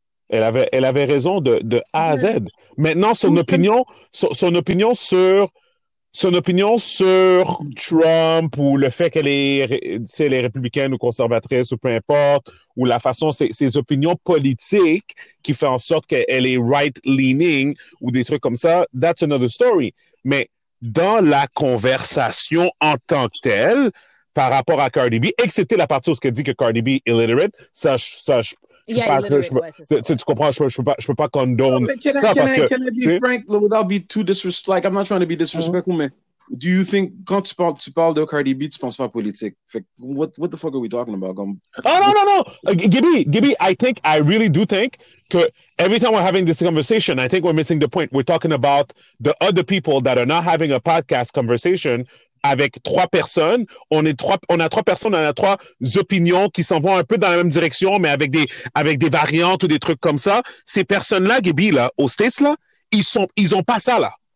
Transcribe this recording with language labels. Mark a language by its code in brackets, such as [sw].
[fr] Elle avait raison de A à Z. Maintenant, son opinion sur Trump ou le fait qu'elle est républicaine ou conservatrice ou peu importe, ou la façon, ses opinions politiques qui font en sorte qu'elle est right-leaning ou des trucs comme ça, [en] that's another story. [fr] Mais dans la conversation en tant que telle, par rapport à Cardi B, et que c'était la partie où ce qu'elle dit que Cardi B est illiterate, je peux pas condone ça parce que [en] can I be frank without being too disrespectful, like I'm not trying to be disrespectful, mais do you think [fr] quand tu parles de Cardi B, tu penses pas politique? [en] Fait, what the fuck are we talking about? [fr] Comme, [en] oh, no, no, no. Gibby, I think, I really do think que every time we're having this conversation, I think we're missing the point. We're talking about the other people that are not having a podcast conversation [fr] avec trois personnes. On est trois, on a trois personnes, on a trois opinions qui s'en vont un peu dans la même direction, mais avec des variantes ou des trucs comme ça. Ces personnes-là, Gibby, là, aux States, là, ils ont pas ça, là.